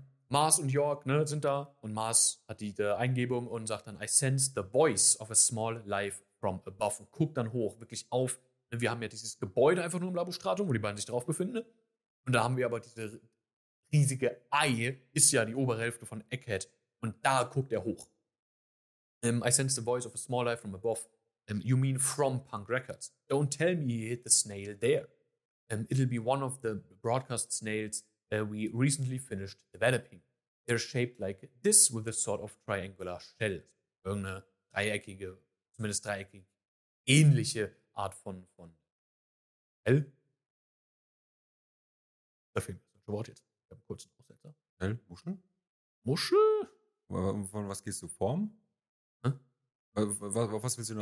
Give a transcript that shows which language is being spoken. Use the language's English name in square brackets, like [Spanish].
[German] Mars und York, ne, sind da und Mars hat die Eingebung und sagt dann, [English] I sense the voice of a small life from above [German] und guckt dann hoch, wirklich auf. Wir haben ja dieses Gebäude einfach nur im Labustratum, wo die beiden sich drauf befinden. Und da haben wir aber diese riesige Ei, ist ja die obere Hälfte von Egghead. Und da guckt er hoch. [English] I sense the voice of a small life from above. You mean from Punk Records. Don't tell me you hit the snail there. It'll be one of the broadcast snails we recently finished developing. They're shaped like this with a sort of triangular shell. [German] Irgendeine dreieckige, zumindest dreieckig ähnliche Art von L. Da fehlt mir das Wort jetzt. Ich habe einen kurzen Aussetzer. L? Muschel? Muschel? Von was gehst du? Form? Was willst du noch?